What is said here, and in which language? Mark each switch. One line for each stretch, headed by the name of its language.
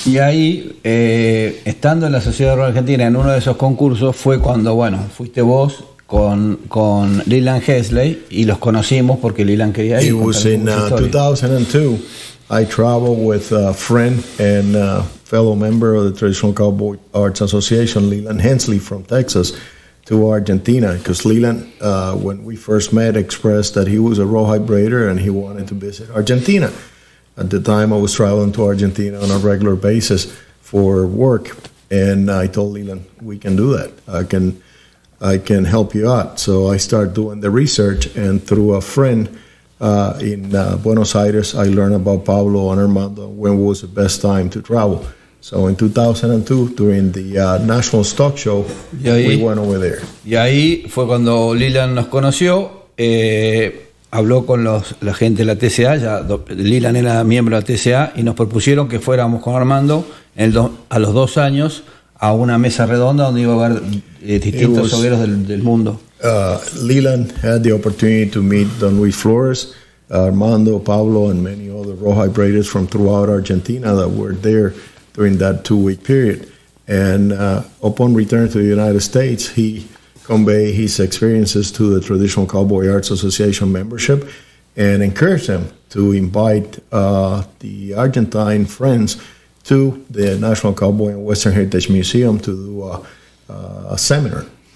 Spanish: Y ahí, estando en la Sociedad Rural Argentina, en uno de esos concursos, fue cuando, bueno, fuiste vos con Leland Hesley y los conocimos porque Leland quería ir.
English: It was in 2002. I traveled with a friend and a fellow member of the Traditional Cowboy Arts Association, Leland Hensley from Texas, to Argentina, because Leland, when we first met, expressed that he was a rawhide braider and he wanted to visit Argentina. At the time, I was traveling to Argentina on a regular basis for work, and I told Leland, we can do that. I can help you out. So I started doing the research, and through a friend, In Buenos Aires, I learned about Pablo and Armando, when was the best time to travel. So in 2002, during the National Stock Show,
Spanish: ahí,
English: we went over there.
Spanish: Y ahí fue cuando Lilian nos conoció, habló con la gente de la TCA, ya Lilian era miembro de la TCA, y nos propusieron que fuéramos con Armando a los dos años a una mesa redonda donde iba a haber distintos hogueros del mundo.
English: Lilian had the opportunity to meet Don Luis Flores, Armando, Pablo, and many other rawhide braiders from throughout Argentina that were there during that two-week period. And upon return to the United States, he conveyed his experiences to the Traditional Cowboy Arts Association membership and encouraged them to invite the Argentine friends to the National Cowboy and Western Heritage Museum to do a seminar.